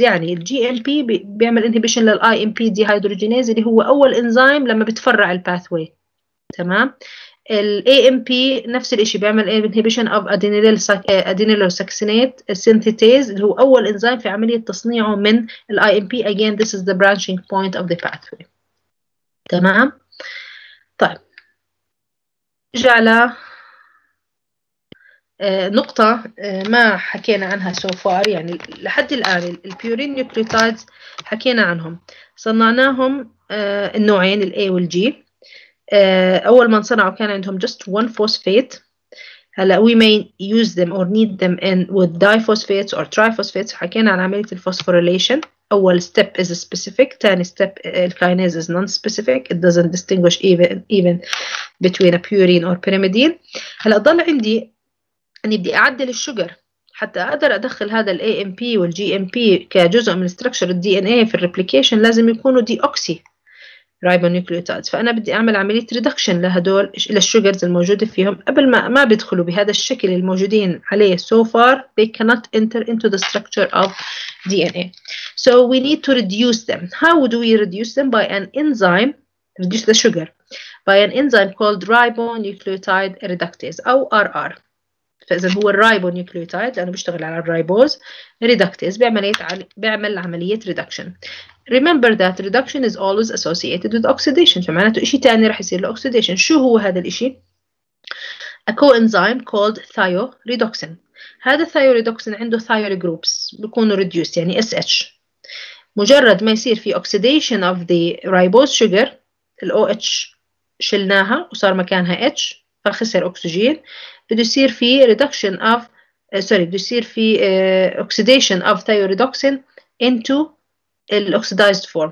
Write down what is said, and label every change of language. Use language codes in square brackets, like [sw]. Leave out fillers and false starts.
[ar] يعني الجي ام بي بيعمل انهبيشن للاي ام بي دي هيدروجينيز اللي هو اول انزيم لما بتفرع الباثوي. تمام. الAMP نفس الشيء بيعمل [en] inhibition of adenylosuccinate synthetase [ar] اللي هو أول إنزيم في عملية تصنيعه من الIMP. [en] Again this is the branching point of the pathway. [ar] تمام. طيب نرجع على نقطة ما حكينا عنها [en] so far، [ar] يعني لحد الآن البيورين نيوكليوتايدز حكينا عنهم، صنعناهم النوعين الA والG. أول ما صنعوا كان عندهم [en] just one phosphate. هلا we may use them or need them in with diphosphates or triphosphates. [ar] حكينا عن عملية الphosphorylation. أول step [en] is specific. ثاني step الكينيز is non-specific. It doesn't distinguish even between a purine or pyrimidine. [ar] هلا ضل عندي أني بدي أعدل الشجر حتى أقدر أدخل هذا الـ AMP والـ GMP كجزء من structure الـ DNA في الريبليكيشن، لازم يكونوا deoxy ribonucleotides. فأنا بدي أعمل عملية reduction لهدول للشجرز الموجودة فيهم قبل ما بيدخلوا بهذا الشكل الموجودين عليه. [en] So far they cannot enter into the structure of DNA. So we need to reduce them. How do we reduce them? By an enzyme, reduce the sugar by an enzyme called ribonucleotide reductase أو RR. [ar] فإذا هو الribonucleotide لأنه بيشتغل على الريبوز، reductase بيعمل عملية reduction. [en] Remember that reduction is always associated with oxidation. [ar] فمعناته إشي تاني رح يصير لأكسيديشن. شو هو هذا الإشي؟ [en] A coenzyme called thioredoxin. [ar] هذا thioredoxin عنده thioid groups بيكونوا reduced يعني SH. مجرد ما يصير في [en] oxidation of the ribose sugar [ar] ال OH شلناها وصار مكانها H فخسر أكسجين، بده يصير في [en] reduction of sorry [ar] بده يصير في [en] oxidation of thioredoxin into [ar] الأكسيدايزد فورم.